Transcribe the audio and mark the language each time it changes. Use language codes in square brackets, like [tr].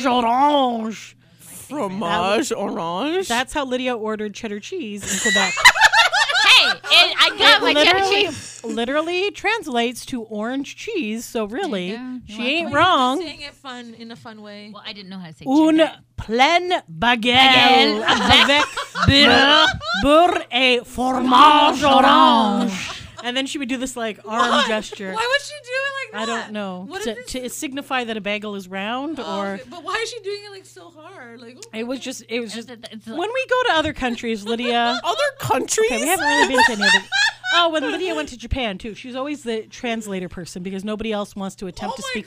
[fr] Fromage orange. Fromage orange. [en] That's how Lydia ordered cheddar cheese in Quebec. And I got my cheddar cheese. Literally translates to orange cheese, so really, she ain't wrong. Saying it fun in a fun way. Well, I didn't know how to say cheddar. [fr] Une pleine baguette avec beurre et fromage orange. [en] And then she would do this like arm gesture. Why would she do it like that? I don't know. To signify that a bagel is round or. But why is she doing it like so hard? It was just. It's like, when we go to other countries, Lydia. Other countries? Okay, we haven't really been to any of it. Oh, when Lydia went to Japan too, she was always the translator person because nobody else wants to attempt to speak